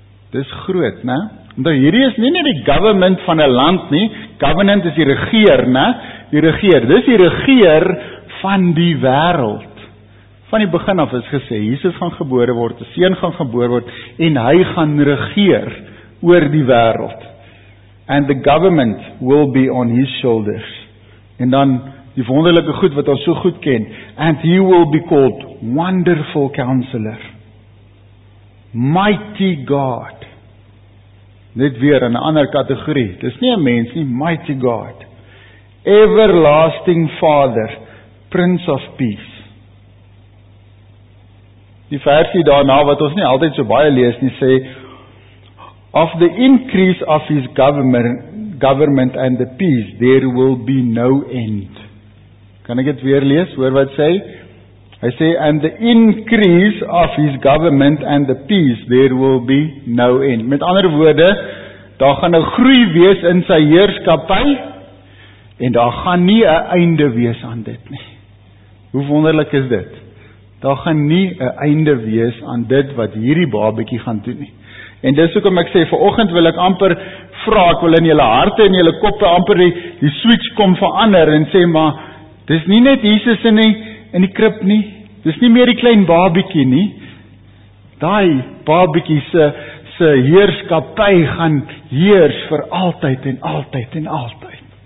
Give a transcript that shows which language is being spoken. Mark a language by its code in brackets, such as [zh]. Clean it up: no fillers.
[af] Dis groot, ne? Nou hierdie is nie net die government van 'n land nie, government is die regeer, ne? Die regeer, dis die regeer van die wêreld. Van die begin af is gesê, Jesus gaan gebore word, die seun gaan gebore word, en hy gaan regeer oor die wêreld. [en] And the government will be on his shoulders. [af] En dan die wonderlike goed wat ons so goed ken, [en] And he will be called Wonderful Counselor, Mighty God. [af] Net weer in 'n ander kategorie. Dis nie 'n mens nie, [en] Mighty God. Everlasting Father, Prince of Peace. [af] Die versie daarna wat ons nie altyd so baie lees nie, sê [en] Of the increase of his government and the peace, there will be no end. [af] Kan ek dit weer lees? Hoor wat sê? Hy sê, [en] and the increase of his government and the peace, there will be no end. [af] Met ander woorde, daar gaan 'n groei wees in sy heerskappy, en daar gaan nie 'n einde wees aan dit nie. Hoe wonderlik is dit? Daar gaan nie 'n einde wees aan dit wat hierdie babetjie gaan doen nie. En dis hoekom ek sê, vanoggend wil ek amper vra, ek wil in julle harte en julle koppe amper die switch kom verander en sê, maar dis nie net Jesus in die krib nie, dis nie meer die klein babetjie nie, daai babetjie se heerskappy gaan heers vir altyd en altyd en altyd.